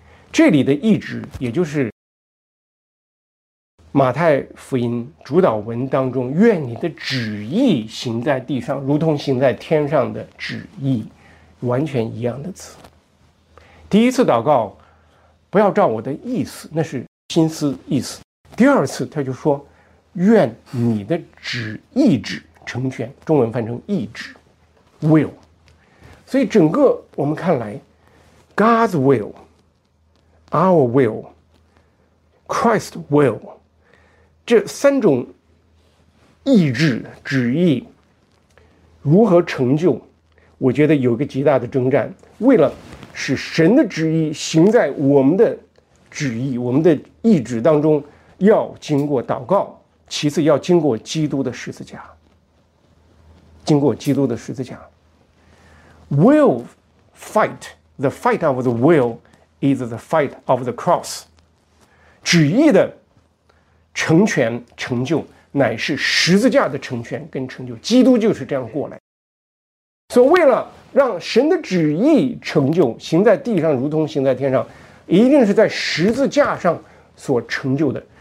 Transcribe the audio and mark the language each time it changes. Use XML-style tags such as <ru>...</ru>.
<zh>这里的意志，也就是马太福音主导文当中“愿你的旨意行在地上，如同行在天上的旨意”，完全一样的词。第一次祷告，不要照我的意思，那是心思意思。第二次他就说：“愿你的旨意志成全。” 中文翻成意志 ，will。所以整个我们看来</zh> <en>，God's will, our will, Christ's will。</en> <zh>这三种意志旨意如何成就，我觉得有个极大的征战。为了使神的旨意行在我们的旨意我们的意志当中，要经过祷告，其次要经过基督的十字架，经过基督的十字架。</zh> <en>Will fight, the fight of the will is the fight of the cross。</en> <zh>旨意的成全成就乃是十字架的成全跟成就，基督就是这样过来。所以为了让神的旨意成就，行在地上如同行在天上，一定是在十字架上所成就的。</zh>